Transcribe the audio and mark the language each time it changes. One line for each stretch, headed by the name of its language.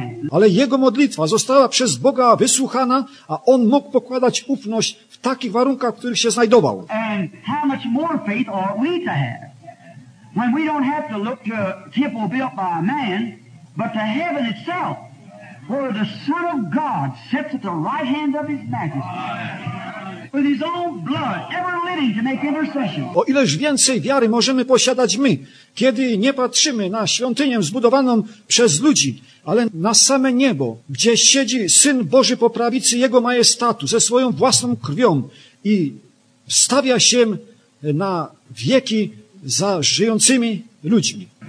Polish: Ale jego modlitwa została przez Boga wysłuchana, a on mógł pokładać ufność w takich warunkach, w których się znajdował.
English: And how much more faith ought we to have? When we don't have to look to a temple built by a man, but to heaven itself, where the Son of God sits at the right hand of His Majesty, with His own blood ever living to make intercession.
Polish: O ileż więcej wiary możemy posiadać my, kiedy nie patrzymy na świątynię zbudowaną przez ludzi, ale na same niebo, gdzie siedzi Syn Boży po prawicy Jego Majestatu ze swoją własną krwią i stawia się na wieki za żyjącymi ludźmi.